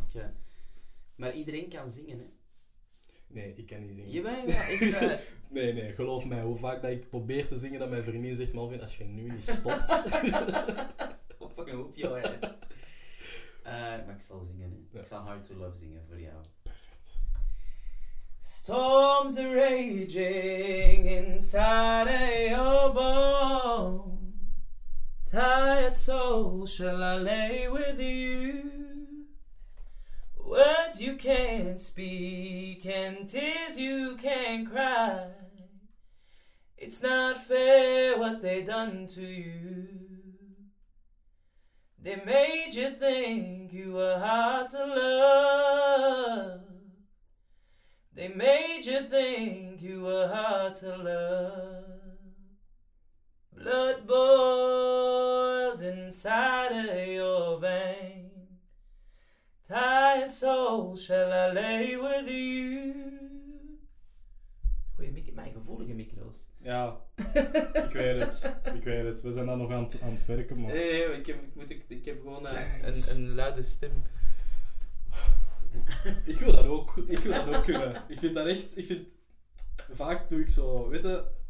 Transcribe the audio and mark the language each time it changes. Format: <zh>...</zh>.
<nl>Ja. Maar iedereen kan zingen, hè? Nee, ik kan niet zingen. Jawel, ik ga... Nee, geloof mij. Hoe vaak dat ik probeer te zingen, dat mijn vriendin zegt, Malvin, als je nu niet stopt... Op een hoopje, hoor. Maar ik zal zingen, hè. Ja. Ik zal Hard to Love zingen voor jou. Perfect.</nl> <en>Storms are raging inside your bones. Tired soul, shall I lay with you? Words you can't speak and tears you can't cry. It's not fair what they've done to you. They made you think you were hard to love. They made you think you were hard to love. Blood boils inside of your vein. Tired soul, shall I lay with you?</en> <nl>Goeie mijn gevoelige micro's. Ja, ik weet het. Ik weet het. We zijn dan nog aan het werken, man. Nee, ik heb gewoon een luide stem. Ik wil dat ook kunnen. Ik vind dat echt... Vaak doe ik zo, weet je...</nl>